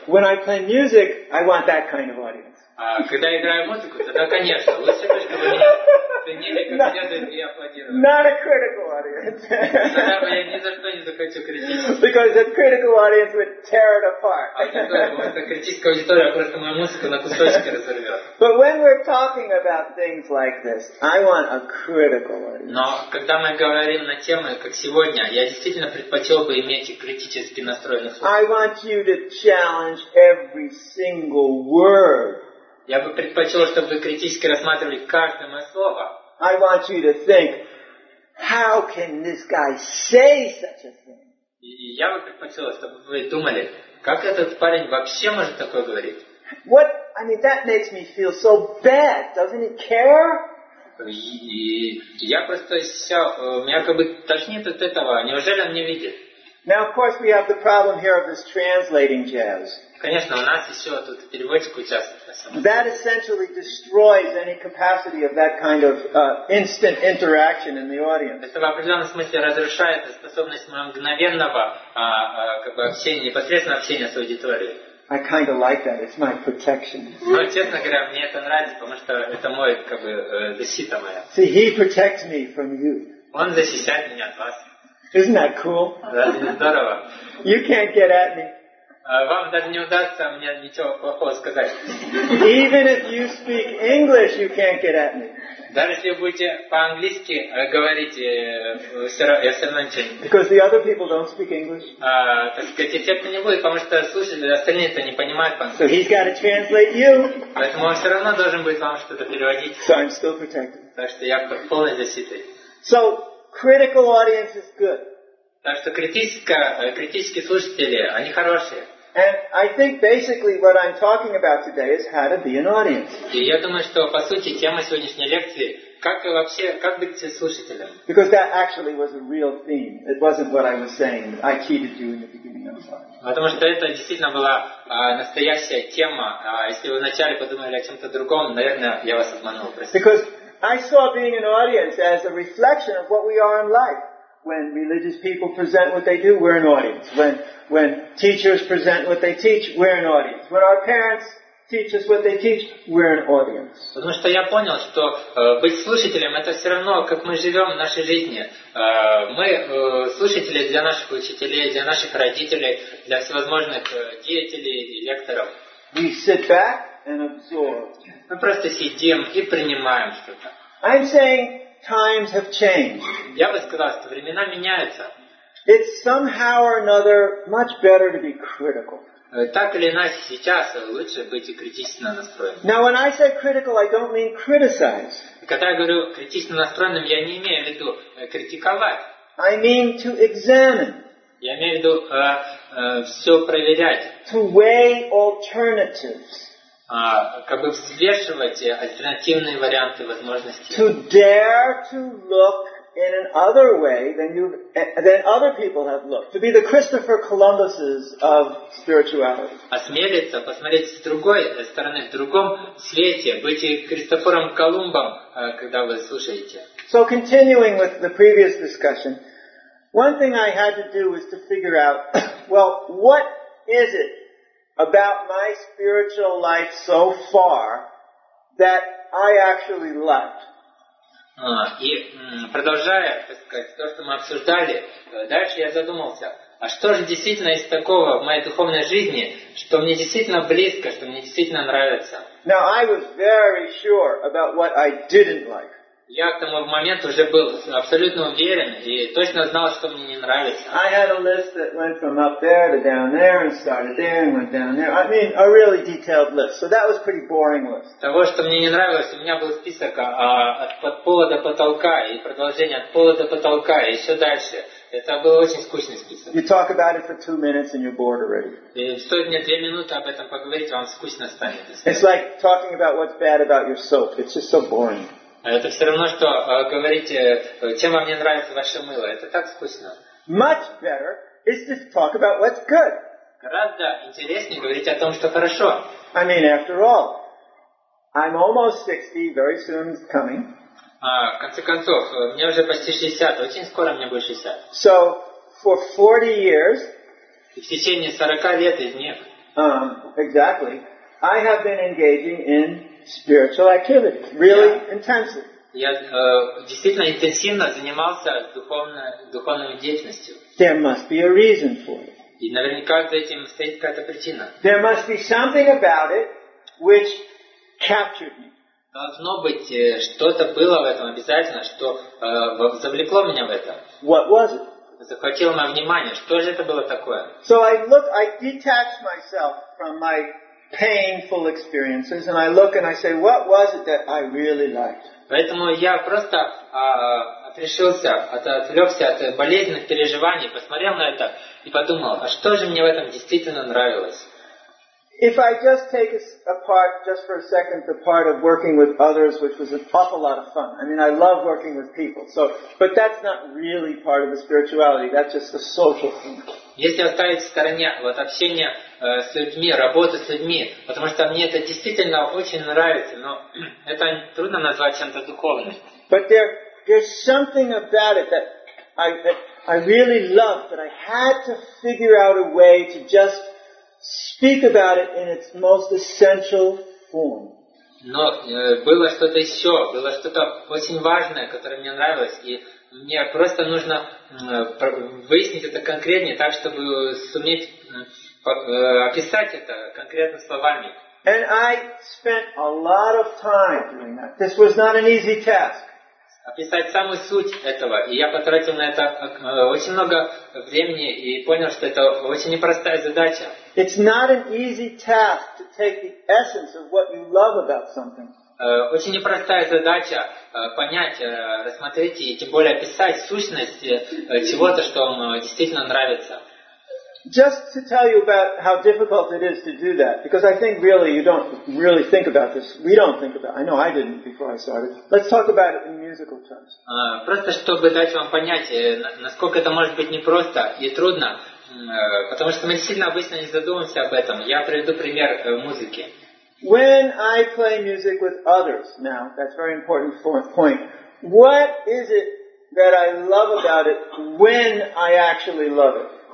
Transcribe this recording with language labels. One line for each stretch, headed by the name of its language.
English: When I play music, I want that kind of audience.
Russian: Когда я играю музыку, тогда, конечно, лучше бы, чтобы меня ценили, как следует, и аплодировали.
English: Not a critical audience.
Russian: Тогда бы я ни за что не захотел критиковать.
English: Because that critical audience would tear it apart.
Russian: А потому что критическая аудитория просто мою музыку на кусочки разорвет.
English: But when we're talking about things like this, I want a critical audience.
Russian: Но когда мы говорим на темы, как сегодня, я действительно предпочел бы иметь критически настроенных слушателей.
English: I want you to challenge every single word.
Russian: Я бы предпочел, чтобы вы критически рассматривали каждое мое слово.
English: I want you to think, how can this guy say such a thing? И я бы предпочел, чтобы вы думали, как этот парень вообще может такое говорить? What? I mean, that makes me feel so bad. Doesn't he care?
Russian: И я просто себя, меня как бы тошнит от этого. Неужели он не видит?
English: Now, of course, we have the problem here of this translating jazz.
Russian: Конечно, у нас еще тут переводчик участвует.
English: That essentially destroys any capacity of that kind of instant interaction in the audience.
Russian: Это в определенном смысле разрушает способность мгновенного как бы общения, непосредственного общения с аудиторией.
English: I kind of like that. It's my protection.
Russian: Но, честно говоря, мне это нравится, потому что это мой как бы защита моя.
English: See, he protects me from you.
Russian: Он защищает меня от вас.
English: Isn't that cool?
Russian: Здорово.
English: You can't get at me.
Russian: Вам даже не удастся мне ничего плохого сказать.
English: Even if you speak English, you can't get at me.
Russian: Даже если вы будете по-английски говорить, я все равно ничего не буду.
English: Because the other people don't speak English.
Russian: Так сказать, и те, кто не будет, потому что слушатели, остальные-то не понимают по-английски.
English: So he's got to translate you.
Russian: Поэтому он все равно должен будет вам что-то переводить.
English: So I'm still protected.
Russian: Так что я под полной защитой.
English: So, critical audience is good.
Russian: Так что критические слушатели, они хорошие.
English: And I think basically what I'm talking about today is how to be an audience.
Russian: И я думаю, что по сути тема сегодняшней лекции как быть слушателем.
English: Because that actually was a real theme. It wasn't what I was saying. I cheated you in the beginning. I'm sorry.
Russian: Потому что это действительно была настоящая тема. А если вы вначале подумали о чем-то другом, наверное, я вас обманул.
English: Because I saw being an audience as a reflection of what we are in life. When religious people present what they do, we're an audience. When teachers present what they teach, we're an audience. When our parents teach us what they teach, we're an audience.
Russian: Потому что я понял, что быть слушателем это все равно, как мы живем в нашей жизни. Мы слушатели для наших учителей, для наших родителей, для всевозможных деятелей и лекторов.
English: We sit back and absorb.
Russian: Мы просто сидим и принимаем что-то.
English: I'm saying. Times have changed.
Russian: Я бы сказал, что времена меняются.
English: It's somehow or another much better to be critical.
Russian: Так или иначе, сейчас лучше быть критично настроенным.
English: Now, when I say critical, I don't mean criticize.
Russian: Когда я говорю критично настроенным, я не имею в виду критиковать.
English: I mean to examine.
Russian: Я имею в виду все проверять.
English: To weigh alternatives.
Russian: Как бы взвешивать альтернативные варианты возможностей.
English: To dare to look in another way than other people have looked. To be the Christopher Columbuses of spirituality.
Russian: Осмелиться посмотреть с другой стороны, в другом свете, быть Кристофором Колумбом, когда вы слушаете.
English: So continuing with the previous discussion, one thing I had to do was to figure out, well, what is it about my spiritual life so far that I actually left.
Russian: И продолжая, так сказать, то, что мы обсуждали, дальше я задумался, а что же действительно из такого в моей духовной жизни, что мне действительно близко, что мне действительно нравится?
English: Now I was very sure about what I didn't like.
Russian: Я к тому моменту уже был абсолютно уверен и точно знал, что мне не нравится.
English: I had a list that went from up there to down there and started there and went down there. I mean, a really detailed list. So that was pretty boring list.
Russian: Того, что мне не нравилось, у меня был список от пола до потолка и продолжение от пола до потолка и еще дальше. Это был очень скучный список.
English: You talk about it for 2 minutes and you're bored already.
Russian: И стоит мне 2 минуты об этом поговорить, вам скучно станет.
English: It's like talking about what's bad about your soap. It's just so boring.
Russian: Это все равно, что говорить, чем вам не нравится ваше мыло. Это так скучно.
English: Much better is to talk about what's good.
Russian: Гораздо интереснее говорить о том, что хорошо.
English: I mean, after all, I'm almost 60, very soon coming.
Russian: В конце концов, мне уже почти 60, очень скоро мне будет 60.
English: So, for 40 years,
Russian: в течение 40 лет из них,
English: exactly, I have been engaging in spiritual activity, really intensely.
Russian: Я действительно интенсивно занимался духовной деятельностью.
English: There must be a reason for it.
Russian: И наверняка за этим стоит какая-то причина.
English: There must be something about it which captured me.
Russian: Должно быть что-то было в этом обязательно, что завлекло меня в это.
English: What was it?
Russian: Захватило мое внимание. Что же это было такое?
English: So I look, I detach myself from my painful experiences, and I look and I say, what was it that I really liked?
Russian: Поэтому я просто отрешился, отвлекся от болезненных переживаний, посмотрел на это и подумал, а что же мне в этом действительно нравилось?
English: If I just take apart just for a second the part of working with others, which was an awful lot of fun. I mean, I love working with people. So, but that's not really part of the spirituality. That's just the social thing.
Russian: Если оставить в стороне вот общение с людьми, работу с людьми, потому что мне это действительно очень нравится, но это трудно назвать чем-то духовным.
English: But there's something about it that I really loved, but I had to figure out a way to just speak about it in its most essential form.
Russian: Но было что-то еще, было что-то очень важное, которое мне нравилось, и мне просто нужно выяснить это конкретнее, так чтобы суметь описать это конкретно словами.
English: And I spent a lot of time doing that. This was not an easy task.
Russian: Описать самую суть этого, и я потратил на это очень много времени и понял, что это очень непростая задача.
English: It's not an easy task to take the essence of what you love about something.
Russian: Очень непростая задача понять, рассмотреть и тем более описать сущность чего-то, что вам действительно нравится.
English: Just to tell you about how difficult it is to do that, because I think really you don't really think about this. We don't think about it. I know I didn't before I started. Let's talk about it in musical terms.
Russian: Просто чтобы дать вам понять, насколько это может быть непросто и трудно, потому что мы сильно обычно не задумываемся об этом. Я приведу пример музыки.
English: When I play music with others, now that's a very important fourth point. What is it that I love about it when I actually love it?